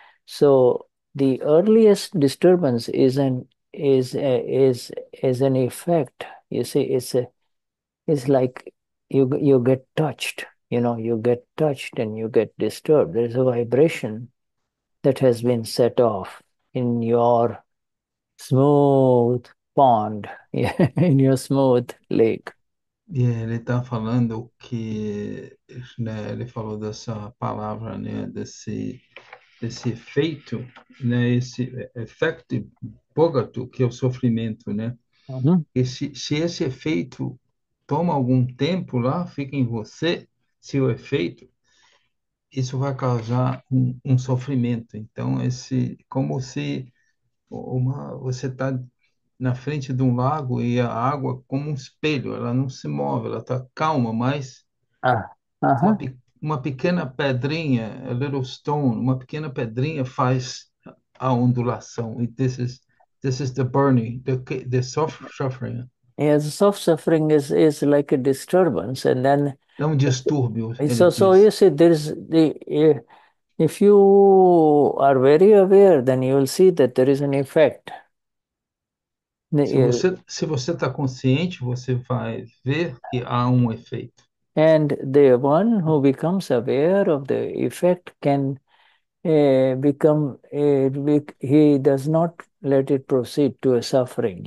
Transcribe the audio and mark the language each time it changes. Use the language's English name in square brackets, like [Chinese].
[English] So the earliest disturbance is an effect, you see. It's like you get touched, you know, you get touched and you get disturbed. There is a vibration that has been set off in your Smooth pond in your smooth lake. [Portuguese] E ele está falando que, né, ele falou dessa palavra, né, desse efeito, né, esse effect bogato, que é o sofrimento, né? E se esse efeito toma algum tempo lá, fica em você, se o efeito, isso vai causar um sofrimento. Então, esse como se você está na frente de um lago e a água como um espelho, ela não se move, ela está calma, mas uma pequena pedrinha, [English] a little stone, [Portuguese] uma pequena pedrinha faz a ondulação. [English] E this is the burning, the suffering. Yes, soft suffering is like a disturbance, and then [Portuguese] É um distúrbio, ele [English] so [Portuguese] diz. [English] you see there is the if you are very aware, then you will see that there is an effect. [Portuguese] Se você está consciente, você vai ver que há um efeito. [English] And the one who becomes aware of the effect can become he does not let it proceed to a suffering.